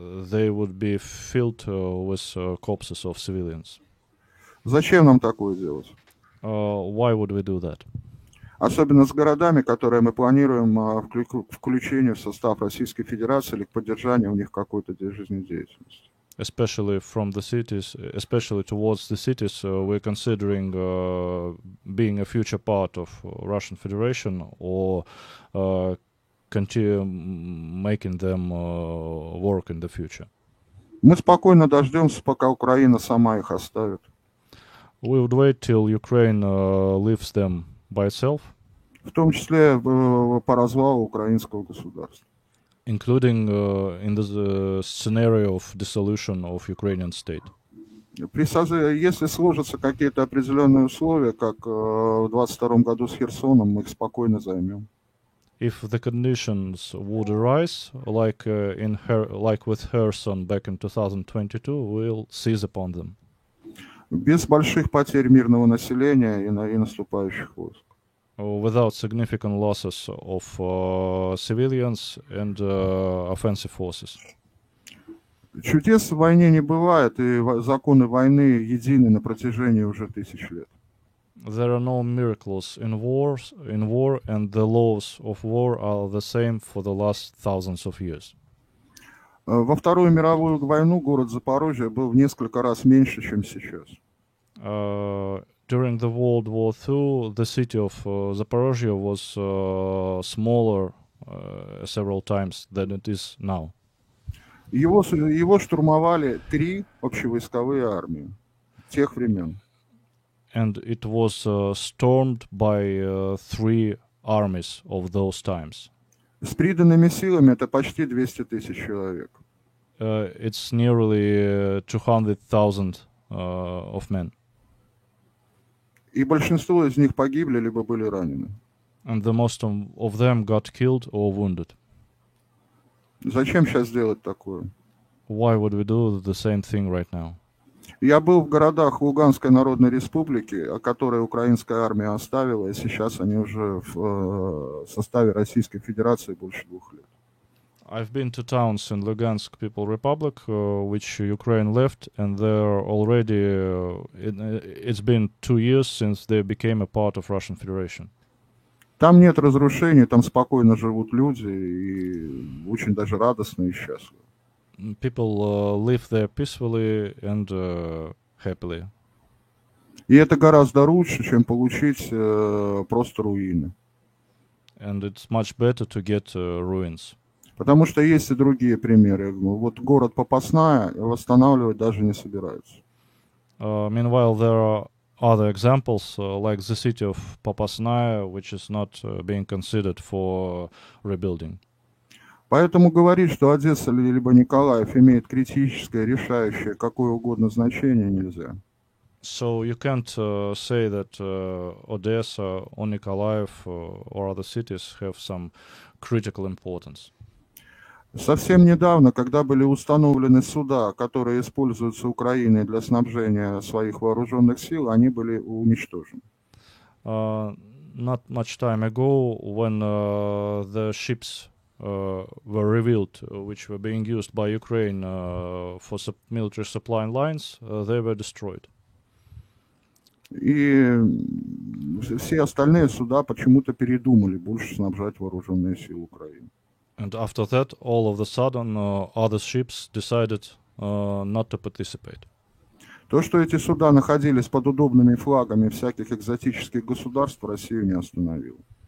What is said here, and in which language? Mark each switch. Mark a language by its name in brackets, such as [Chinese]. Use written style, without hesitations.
[English] They would be filled with corpses of civilians. [Russian] Зачем нам такое делать? [English] Why would we do that? [Russian] Особенно с городами, которые мы планируем включение в состав Российской Федерации или к поддержанию у них какой-то жизнедеятельности. [English] Especially from the cities, especially towards the cities, we're considering being a future part of Russian Federation or continue making them work in the future. [Russian] Мы спокойно дождемся, пока Украина сама их оставит. [English] We would wait till Ukraine leaves them by itself. [Russian] В том числе по развалу украинского государства. [English] Including in the scenario of dissolution of Ukrainian state. [Russian] Если сложатся какие-то определенные условия, как в 22-м году с Херсоном, мы их спокойно займем. [English] If the conditions would arise, like with Kherson back in 2022, we'll seize upon them. [Russian] Без больших потерь мирного населения и наступающих войск. [English] Without significant losses of civilians and offensive forces. [Russian] Чудес в войне не бывает, и законы войны едины на протяжении уже тысяч лет. [English] There are no miracles in wars, in war, and the laws of war are the same for the last thousands of years. [Russian] Во Вторую мировую войну город Запорожье был в несколько раз меньше, чем сейчас. [English] During the World War II, the city of Zaporozhye was smaller several times than it is now. [Russian] Его штурмовали три общевойсковые армии тех времен. [English] And it was stormed by three armies of those times. [Russian] С приданными силами это почти 200 тысяч человек. [English] It's nearly 200,000 of men. [Russian] И большинство из них погибли либо были ранены. [English] And the most of them got killed or wounded. [Russian] Зачем сейчас делать такое? [English] Why would we do the same thing right now? [Russian] Я был в городах Луганской Народной Республики, которые украинская армия оставила, и сейчас они уже в составе Российской Федерации больше двух лет. [English] I've been to towns in Luhansk People Republic, which Ukraine left, and they're already, it's been 2 years since they became a part of Russian Federation. [Russian] Там нет разрушений, там спокойно живут люди, и очень даже радостно и счастливо. [English] People live there peacefully and happily. [Russian] И это гораздо лучше, чем получить просто руины. [English] And it's much better to get ruins. [Russian] Потому что есть и другие примеры. Вот город Попасная восстанавливать даже не собираются. [English] Meanwhile, there are other examples, like the city of Popasnaya, which is not being considered for rebuilding. [Russian] Поэтому говорить, что Одесса либо Николаев имеет критическое, решающее, какое угодно значение, нельзя. [English] So you can't say that Odessa or Nikolaev or other cities have some critical importance. [Russian] Совсем недавно, когда были установлены суда, которые используются Украиной для снабжения своих вооруженных сил, они были уничтожены. [English] Not much time ago, when the ships were revealed, which were being used by Ukraine for military supply lines, they were destroyed. [Russian] И все остальные суда почему-то передумали больше снабжать вооруженные силы Украины. [English] And after that, all of a sudden, other ships decided not to participate. [Russian] То, что эти суда находились под удобными флагами всяких экзотических государств, Россию не остановил.